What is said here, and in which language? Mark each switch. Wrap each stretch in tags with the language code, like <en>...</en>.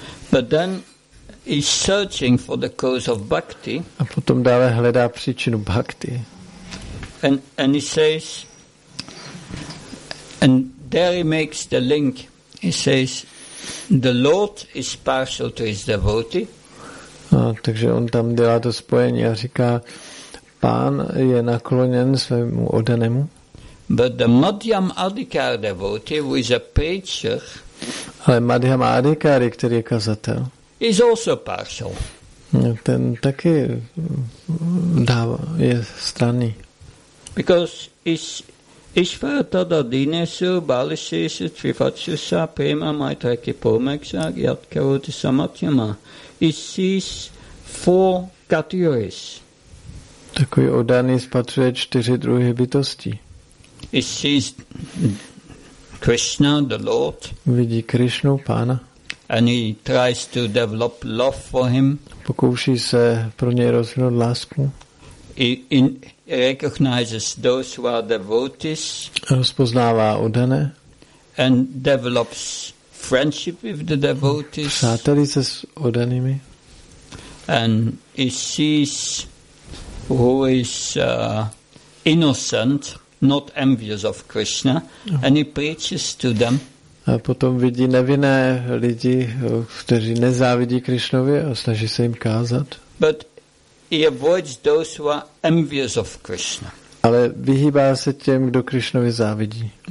<en>But then he's searching for the cause of bhakti.</en> <cs>A potom dále hledá příčinu bhakti.</cs> <en>And he says, and there he makes the link. He says, the Lord is partial to his devotee.</en> <cs>No, takže on tam dělá to spojení a říká, pán je nakloněn svému oddanému.</cs> <en>But the Madhyam Adhikar devotee, who is a preacher,</en> <cs>ale Madhyam Adhikari, který je kazatel,</cs> <en>is also partial.</en> <cs>Ten taky dává, je stranný.</cs> <sa>Because Ishvara tada dinesu balisesu trivatsusa prema maitreki pomeksa yat karoti samatyama.</sa> <en>He sees four categories.</en> <cs>Takový oddaný spatřuje čtyři druhy bytosti.</cs> <en>He sees Krishna, the Lord.</en> <cs>Vidí Krishnu, pána.</cs> <en>And he tries to develop love for him.</en> <cs>Pokouší se pro něj rozvinout lásku.</cs> <en>He recognizes those who are devotees.</en> <cs>Rozpoznává odané.</cs> <en>And develops friendship with the devotees.</en> <cs>Přátelí se s odanými.</cs> <en>And he sees who is innocent, not envious of Krishna. And he preaches to them.</en> <cs>A potom vidí nevinné lidi, kteří nezávidí Krishnovi a snaží se jim kázat.</cs> <en>But he avoids those who are envious of Krishna.</en> <cs>Ale vyhýbá se těm, kdo Krishnovi závidí.</cs>